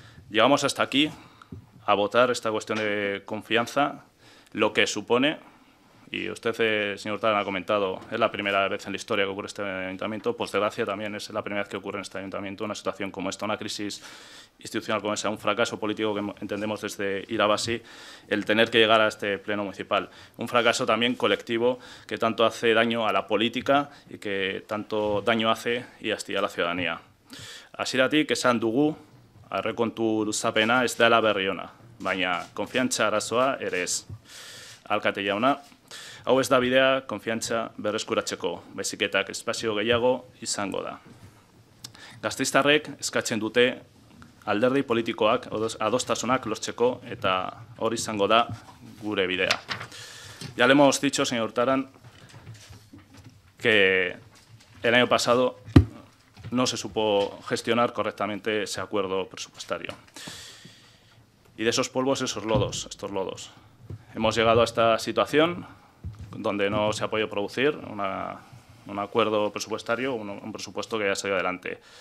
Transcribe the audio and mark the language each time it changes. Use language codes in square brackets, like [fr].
[es] Llegamos hasta aquí a votar esta cuestión de confianza, lo que supone, y usted, señor Tarán, ha comentado, es la primera vez en la historia que ocurre este ayuntamiento, por desgracia también es la primera vez que ocurre en este ayuntamiento una situación como esta, una crisis institucional como esa, un fracaso político que entendemos desde Irabasi, el tener que llegar a este pleno municipal. Un fracaso también colectivo que tanto hace daño a la política y que tanto daño hace y hastía a la ciudadanía. [eu] Hasieratik esan dugu, aurrekontu luzapena ez dela berri ona, baina konfiantza arazoa ere ez. Alkate jauna, hau ez da bidea konfiantza berreskuratzeko, baizik eta espazio gehiago izango da. Gasteiztarrek eskatzen dute alderdi politikoak adostasunak lortzeko eta hori izango da gure bidea. [es] Ya le hemos dicho, señor Tarán, que el año pasado no se supo gestionar correctamente ese acuerdo presupuestario. Y de esos polvos, esos lodos, estos lodos. Hemos llegado a esta situación donde no se ha podido producir un acuerdo presupuestario, un presupuesto que haya salido adelante.